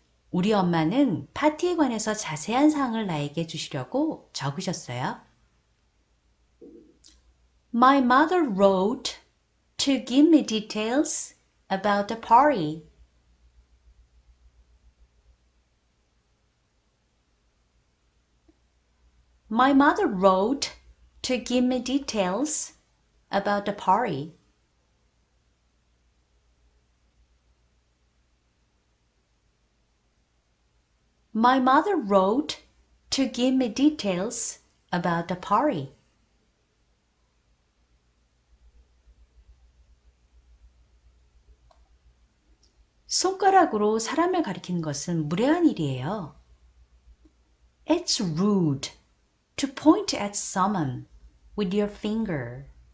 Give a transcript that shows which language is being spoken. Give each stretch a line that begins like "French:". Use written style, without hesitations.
Korean: 우리 엄마는 파티에 관해서 자세한 사항을 나에게 주시려고 적으셨어요.
English: My mother wrote to give me details about the party. My mother wrote to give me details about the party. My mother wrote to give me details about the party.
Korean: 손가락으로 사람을 가리키는 것은 무례한 일이에요.
English: It's rude to point at someone with your finger.